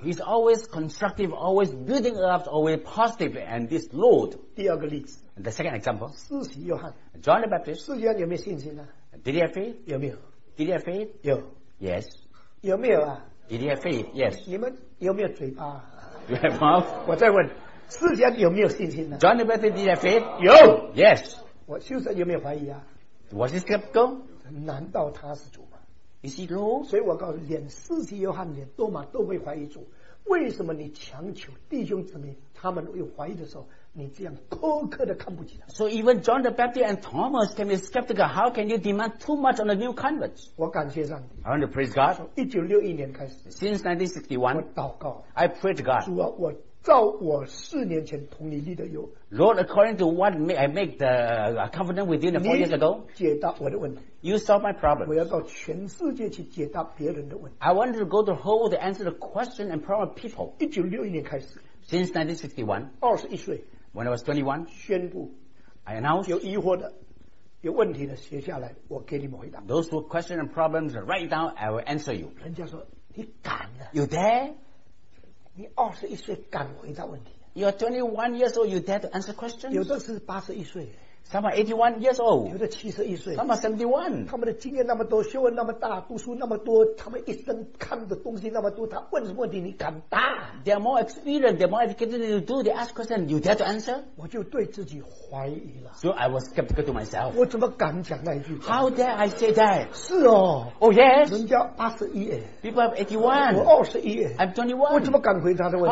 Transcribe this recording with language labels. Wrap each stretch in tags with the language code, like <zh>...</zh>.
<en>He's always constructive always building up always positive and this Lord</en> <zh>第二个例子</zh> <en>The second example</en> <zh>施洗约翰</zh> <en>John the Baptist</en> <zh>施洗约翰有没有信心呢、啊、</zh> <en>Did he have faith?</en> <zh>有没有</zh> <en>Did he have faith?</en> <zh>有</zh> <en>Yes</en> <zh>有没有啊</zh> <en>Did he have faith? Yes</en> <zh>你们有没有嘴巴</zh> <en>You have mouth?</en> <zh>我再问施洗约翰有没有信心呢</zh> <en>John the Baptist did have faith?</en> <zh>有</zh> <en>Yes</en> <zh>我修士有没有怀疑啊</zh> <en>Was he skeptical?</en> <zh>难道他是主吗</zh> <en>Is he Lord?</en> <zh>所以我告诉你连施洗约翰连多马都会怀疑主为什么你强求弟兄姊妹他们有怀疑的时候你这样苛刻的看不起他</zh> <en>So even John the Baptist and Thomas can be skeptical How can you demand too much on the new converts?</en> <zh>我感谢上帝</zh> <en>I want to praise God</en> <zh>1961年开始</zh> <en>Since 1961</en> <zh>我祷告</zh> <en>I pray to God</en> <zh>主啊我照我四年前同你立的约</zh> <en>Lord, according to what I make the covenant with you 4 years ago</en> <zh>你解答我的问题</zh> <en>You solve my problem</en> <zh>我要到全世界去解答别人的问题</zh> <en>I wanted to go to the whole world to answer the question and problem of people</en> <zh>1961年开始</zh> <en>Since 1961</en> <zh>21岁</zh> <en>When I was 21</en> <zh>宣布</zh> <en>I announced</en> <zh>有疑惑的有问题的写下来我给你们回答</zh> <en>Those who question and problems write down I will answer you</en> <zh>人家说你敢啊</zh> <en>You dare?</en> <zh>你二十一岁敢回答问题</zh> <en>You are 21 years old You dare to answer questions</en> <zh>有的是八十一岁</zh> <en>Some are 81 years old</en> <zh>有的七十一岁</zh> <en>Some are 71</en> <zh>他们的经验那么多学问那么大读书那么多他们一生看的东西那么多他问什么问题你敢答</zh> <en>They are more experienced They are more educated than you do They ask questions You dare to answer</en> <zh>我就对自己怀疑了</zh> <en>So I was skeptical to myself</en> <zh>我怎么敢讲那一句</zh> <en>How dare I say that</en> <zh>是哦</zh> <en>Oh yes</en> <zh>人家八十一</zh> <en>People have 81</en> <zh>我二十一</zh> <en>I'm 21</en> <zh>我怎么敢回答的问题</zh>